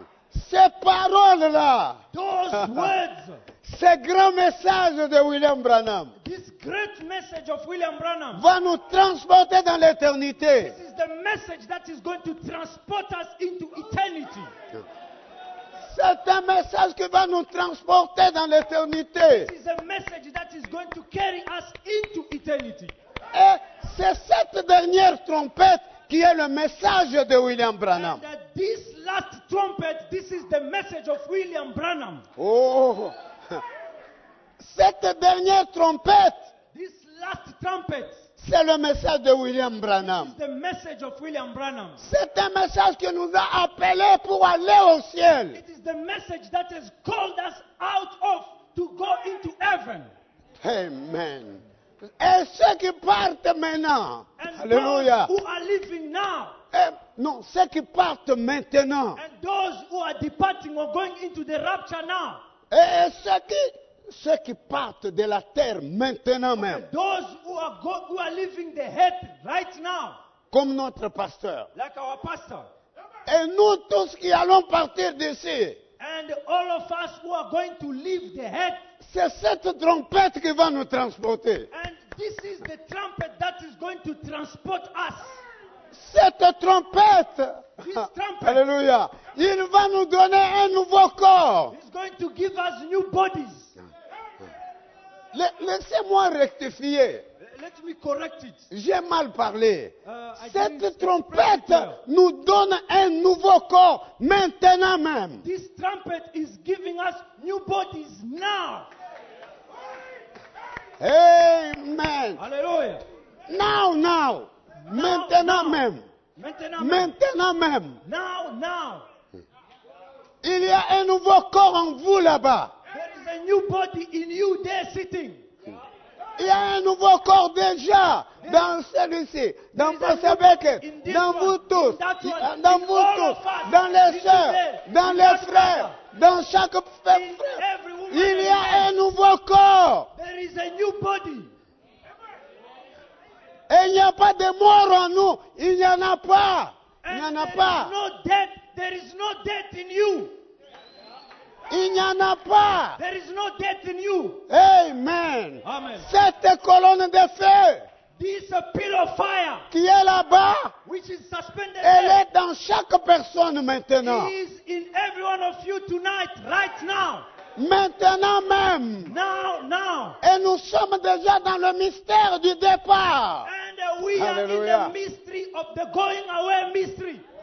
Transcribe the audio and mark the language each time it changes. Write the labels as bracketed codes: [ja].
[fr] Ces paroles-là. [en] Those words. [fr] Ce grand message de William Branham. [en] This great message of William Branham. [fr] Va nous transporter dans l'éternité. [en] This is the message that is going to transport us into eternity. [fr] C'est un message qui va nous transporter dans l'éternité. [en] This is a message that is going to carry us into eternity. [fr] Et c'est cette dernière trompette qui est le message de William Branham. [en] And that this last trumpet, this is the message of William Branham. [fr] Oh! Cette dernière trompette. [en] This last trumpet. [fr] C'est le message de William Branham. [en] This is the message of William Branham. [fr] C'est un message qui nous a appelés pour aller au ciel. [en] It is the message that has called us out of to go into heaven. [fr] Amen. Et ceux qui partent maintenant. [en] And Alléluia. Those who are living now. [fr] Et non, ceux qui partent maintenant. [en] And those who are departing or going into the rapture now. [fr] Et ceux qui partent de la terre maintenant même. [en] And those who are leaving the earth right now. [fr] Comme notre pasteur. [en] Like our pastor. [fr] Et nous tous qui allons partir d'ici. [en] And all of us who are going to leave the earth. [fr] C'est cette trompette qui va nous transporter. [en] And this is the trumpet that is going to transport us. [fr] Cette trompette. [en] This trumpet. [fr] Alléluia. Il va nous donner un nouveau corps. [en] He's going to give us new bodies. [fr] Laissez-moi rectifier. [en] Let me correct it. [fr] J'ai mal parlé. Cette trompette nous donne un nouveau corps maintenant même. [en] This trumpet is giving us new bodies now. Amen. Alléluia. Now. [fr] Maintenant même. Maintenant même. [en] Now. [fr] Il y a un nouveau corps en vous là-bas. [en] There is a new body in you there sitting. [fr] Il y a un nouveau corps déjà dans celui-ci, dans Pastor Becker, dans vous tous, dans vous tous, dans les sœurs, dans les frères, dans chaque frère. Il y a un nouveau corps. [en] There is a new body. [fr] Et il n'y a pas de mort en nous. Il n'y en a pas. Il n'y en a pas. [en] There is no death in you. [fr] Il n'y en a pas. [en] There is no death in you. Amen. Amen. [fr] Cette colonne de feu. [en] This pillar of fire. [fr] Qui est là-bas. [en] Which is suspended. [fr] Elle est dans chaque personne maintenant. [en] It is in every one of you tonight, right now. [fr] Maintenant même. [en] Now. [fr] Et nous sommes déjà dans le mystère du départ. [en] And we Alleluia. Are in the mystery of the going away mystery.